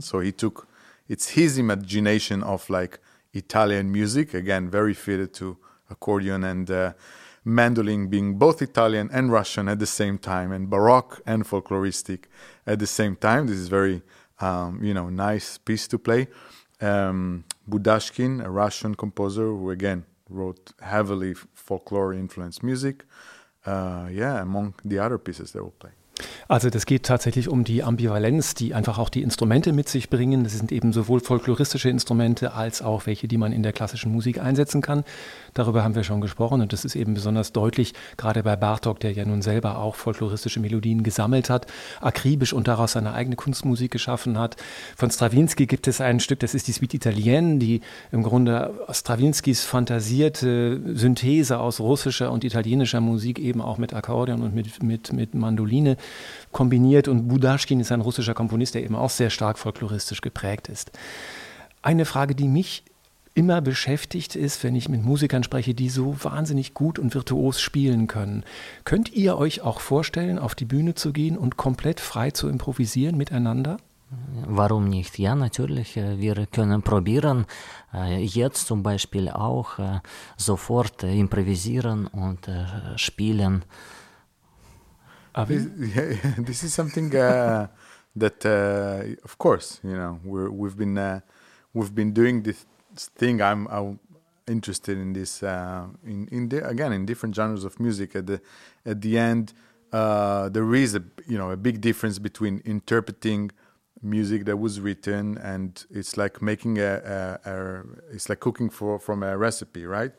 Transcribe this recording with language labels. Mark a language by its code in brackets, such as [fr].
[en] So he took, it's his imagination of like Italian music, again, very fitted to accordion and mandolin being both Italian and Russian at the same time and Baroque and folkloristic at the same time. This is very, you know, nice piece to play. Budashkin, a Russian composer who again wrote heavily folklore-influenced music, among the other pieces they will play. [de] Also das geht tatsächlich um die Ambivalenz, die einfach auch die Instrumente mit sich bringen. Das sind eben sowohl folkloristische Instrumente als auch welche, die man in der klassischen Musik einsetzen kann. Darüber haben wir schon gesprochen und das ist eben besonders deutlich, gerade bei Bartok, der ja nun selber auch folkloristische Melodien gesammelt hat, akribisch und daraus seine eigene Kunstmusik geschaffen hat. Von Stravinsky gibt es ein Stück, das ist die Suite Italienne, die im Grunde Stravinskys fantasierte Synthese aus russischer und italienischer Musik eben auch mit Akkordeon und mit Mandoline kombiniert. Und Budaschkin ist ein russischer Komponist, der eben auch sehr stark folkloristisch geprägt ist. Eine Frage, die mich immer beschäftigt ist, wenn ich mit Musikern spreche, die so wahnsinnig gut und virtuos spielen können. Könnt ihr euch auch vorstellen, auf die Bühne zu gehen und komplett frei zu improvisieren miteinander? Warum nicht? Ja, natürlich, wir können probieren, jetzt zum Beispiel auch sofort improvisieren und spielen. Aber [en] this is something that, of course, you know, we've been doing this thing. I'm interested in this in different genres of music. At the end, there is a big difference between interpreting music that was written, and it's like making it's like cooking from a recipe, right?